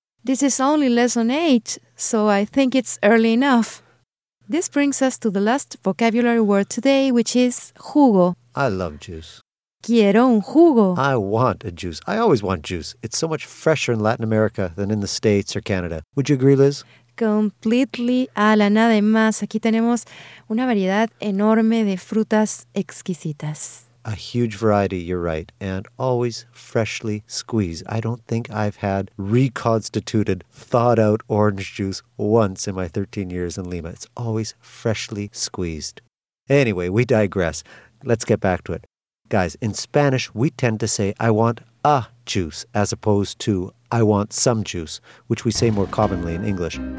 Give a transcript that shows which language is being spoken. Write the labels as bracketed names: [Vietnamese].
[English] This is only lesson 8, so I think it's early enough. This brings us to the last vocabulary word today, which is jugo. I love juice. [Spanish] Quiero un jugo. [English] I want a juice. I always want juice. It's so much fresher in Latin America than in the States or Canada. Would you agree, Liz? Completely, Alan. [Spanish] Además, aquí tenemos una variedad enorme de frutas exquisitas. [English] A huge variety, you're right. And always freshly squeezed. I don't think I've had reconstituted, thawed out orange juice once in my 13 years in Lima. It's always freshly squeezed. Anyway, we digress. Let's get back to it. Guys, in Spanish, we tend to say, I want a juice, as opposed to, I want some juice, which we say more commonly in English.